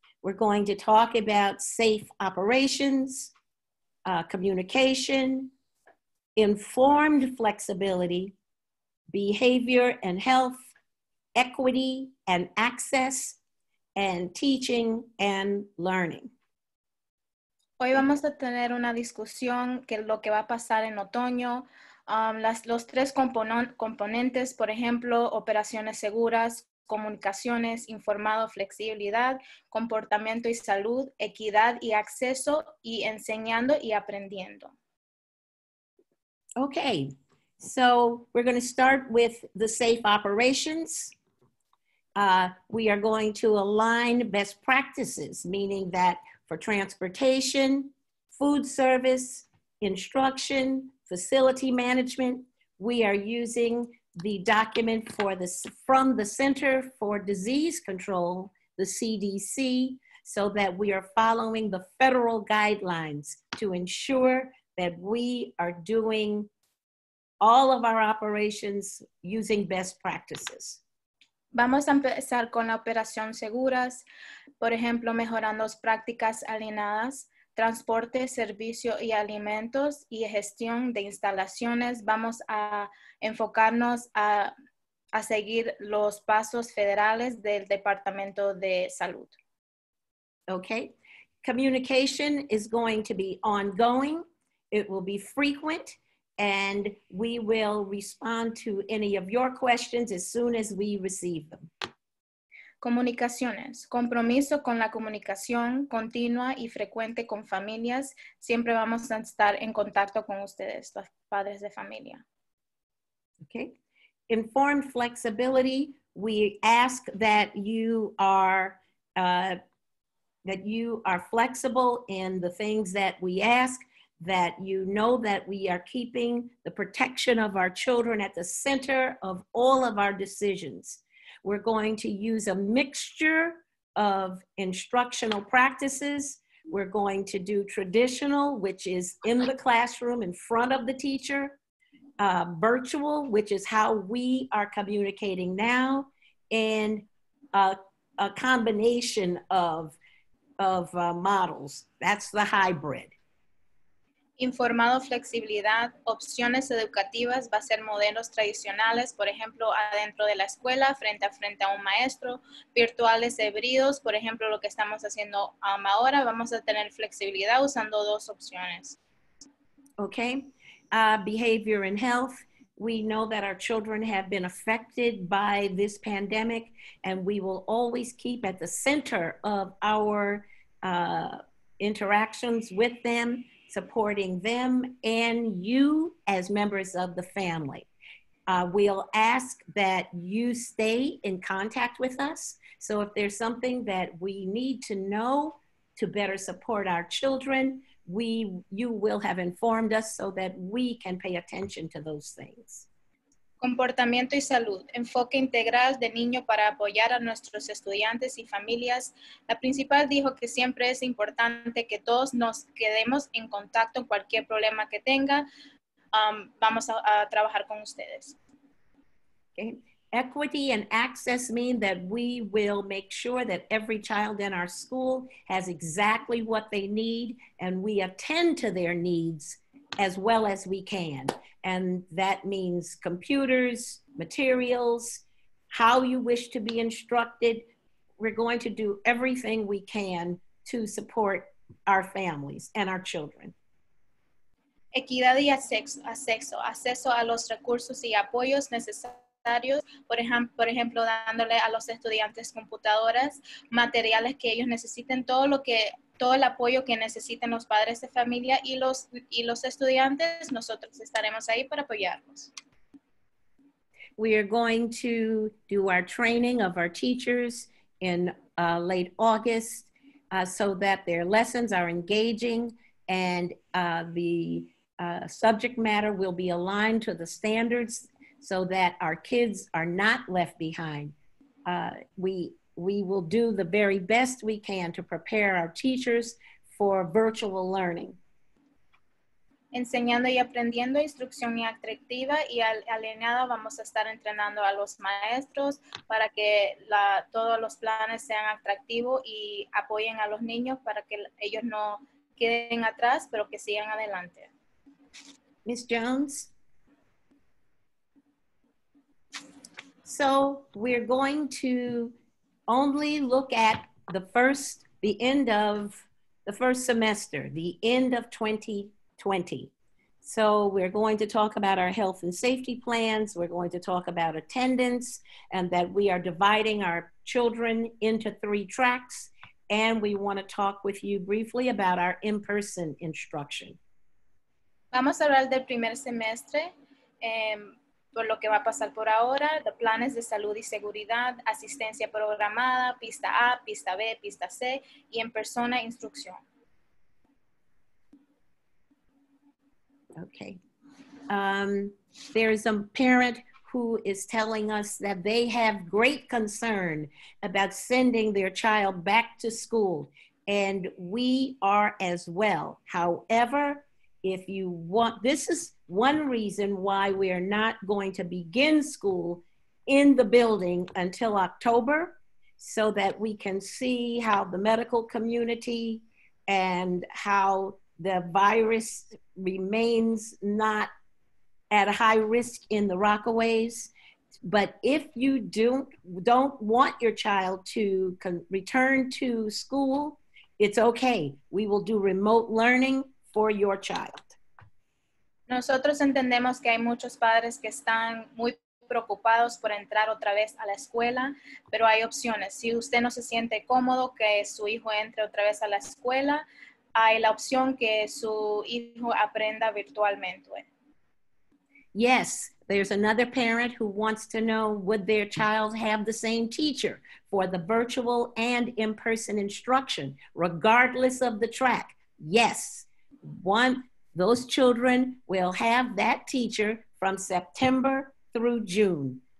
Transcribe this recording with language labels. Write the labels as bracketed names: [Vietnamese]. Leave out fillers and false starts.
[English] We're going to talk about safe operations, communication, informed flexibility, behavior and health, equity and access, and teaching and learning. [Spanish] Hoy vamos a tener una discusión que lo que va a pasar en otoño. Los tres componentes, por ejemplo, operaciones seguras, comunicaciones, informado, flexibilidad, comportamiento y salud, equidad y acceso, y enseñando y aprendiendo. [English] Okay, so we're going to start with the safe operations. We are going to align best practices, meaning that for transportation, food service, instruction, facility management, we are using the document from the Center for Disease Control, the CDC, so that we are following the federal guidelines to ensure that we are doing all of our operations using best practices. [Spanish] Vamos a empezar con la operación seguras, por ejemplo, mejorando las prácticas alineadas. Transporte, servicio y alimentos y gestión de instalaciones. Vamos a enfocarnos a seguir los pasos federales del Departamento de Salud. [English] Okay. Communication is going to be ongoing. It will be frequent and we will respond to any of your questions as soon as we receive them. [Spanish] Comunicaciones. Compromiso con la comunicación continua y frecuente con familias. Siempre vamos a estar en contacto con ustedes, los padres de familia. [English] Okay. Informed flexibility. We ask that you are that you are flexible in the things that we ask, that you know that we are keeping the protection of our children at the center of all of our decisions. We're going to use a mixture of instructional practices. We're going to do traditional, which is in the classroom in front of the teacher, virtual, which is how we are communicating now, and a combination of models. That's the hybrid. [Spanish] Informado flexibilidad, opciones educativas, va a ser modelos tradicionales, por ejemplo, adentro de la escuela, frente a un maestro, virtuales híbridos, por ejemplo, lo que estamos haciendo ahora, vamos a tener flexibilidad usando dos opciones. [English] Okay, behavior and health. We know that our children have been affected by this pandemic, and we will always keep at the center of our interactions with them, supporting them and you as members of the family. We'll ask that you stay in contact with us. So if there's something that we need to know to better support our children, you will have informed us so that we can pay attention to those things. [Spanish] Comportamiento y salud, enfoque integral de niño para apoyar a nuestros estudiantes y familias. La principal dijo que siempre es importante que todos nos quedemos en contacto en cualquier problema que tenga. Vamos a trabajar con ustedes. [English] Okay. Equity and access mean that we will make sure that every child in our school has exactly what they need, and we attend to their needs as well as we can. And that means computers, materials, how you wish to be instructed. We're going to do everything we can to support our families and our children. [Spanish] Equidad y acceso a los recursos y apoyos necesarios, por ejemplo, dándole a los estudiantes computadoras, materiales que ellos necesiten, todo el apoyo que necesiten los padres de familia y los estudiantes, nosotros estaremos ahí para apoyarlos. [English] We are going to do our training of our teachers in late August so that their lessons are engaging and the subject matter will be aligned to the standards so that our kids are not left behind. We will do the very best we can to prepare our teachers for virtual learning. [Spanish] Enseñando y aprendiendo instrucción interactiva y alineada, vamos a estar entrenando a los maestros para que todos los planes sean atractivos y apoyen a los niños para que ellos no queden atrás, pero que sigan adelante. [English] Ms. Jones? So we're going to only look at the end of the first semester, the end of 2020. So we're going to talk about our health and safety plans. We're going to talk about attendance and that we are dividing our children into three tracks. And we want to talk with you briefly about our in-person instruction. [Spanish] Vamos a hablar del primer semestre. Por lo que va a pasar por ahora, los planes de salud y seguridad, asistencia programada, pista A, pista B, pista C, y en persona instrucción. [English] Okay. There is a parent who is telling us that they have great concern about sending their child back to school, and we are as well. However, if you want, this is one reason why we are not going to begin school in the building until October, so that we can see how the medical community and how the virus remains not at a high risk in the Rockaways. But if you don't want your child to return to school, it's okay. We will do remote learning for your child. [Spanish] Nosotros entendemos que hay muchos padres que están muy preocupados por entrar otra vez a la escuela, pero hay opciones. Si usted no se siente cómodo que su hijo entre otra vez a la escuela, hay la opción que su hijo aprenda virtualmente. [English] Yes, There's another parent who wants to know, would their child have the same teacher for the virtual and in-person instruction, regardless of the track? Yes. One, those children will have that teacher from September through June.